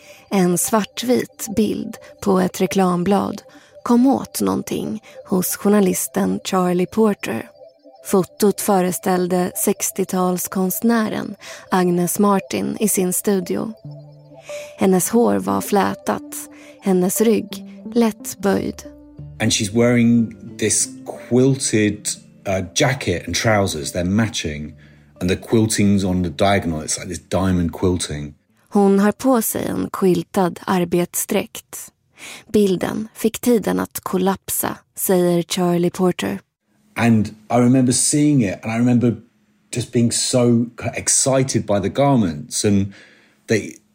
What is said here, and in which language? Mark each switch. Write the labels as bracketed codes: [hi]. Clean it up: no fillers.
[sv] En svartvit bild på ett reklamblad kom åt någonting hos journalisten Charlie Porter. Fotot föreställde 60-talskonstnären Agnes Martin i sin studio. Hennes hår var flätat, hennes rygg lätt böjd. [en] And she's wearing this quilted jacket and trousers, they're matching. And the quilting's on the diagonal, it's like this diamond quilting. [sv] Hon har på sig en quiltad arbetsdräkt. Bilden fick tiden att kollapsa, säger Charlie Porter. [en] And I remember seeing it and I remember just being so excited by the garments and they...